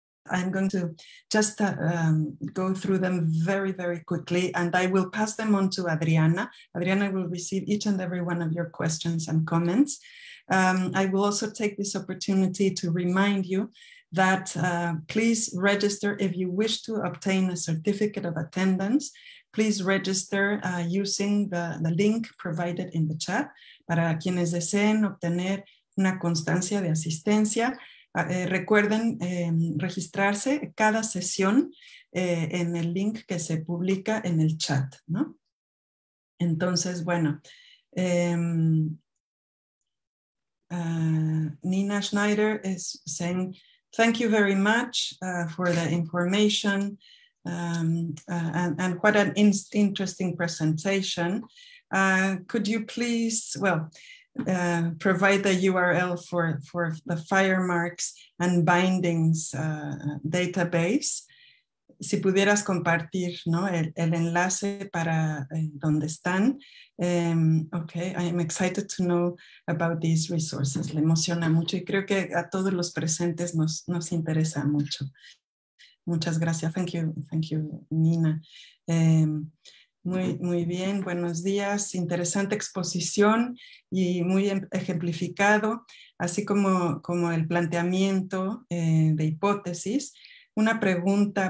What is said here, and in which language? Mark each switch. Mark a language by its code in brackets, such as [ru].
[en] I'm going to just go through them very, very quickly, and I will pass them on to Adriana. Adriana will receive each and every one of your questions and comments. I will also take this opportunity to remind you that please register if you wish to obtain a certificate of attendance. Please register using the link provided in the chat. [es] Para quienes deseen obtener una constancia de asistencia, recuerden registrarse cada sesión en el link que se publica en el chat, ¿no? Entonces, bueno, [en] Nina Schneider is saying, thank you very much for the information and what an interesting presentation. Could you please, provide the URL for the fire marks and bindings database. [es] Si pudieras compartir, ¿no? el enlace para donde están. [en] Okay, I am excited to know about these resources. [es] Le emociona mucho y creo que a todos los presentes nos interesa mucho. Muchas gracias. [en] Thank you, [es] Nina. Muy bien, buenos días. Interesante exposición y muy ejemplificado, así como el planteamiento de hipótesis. una pregunta.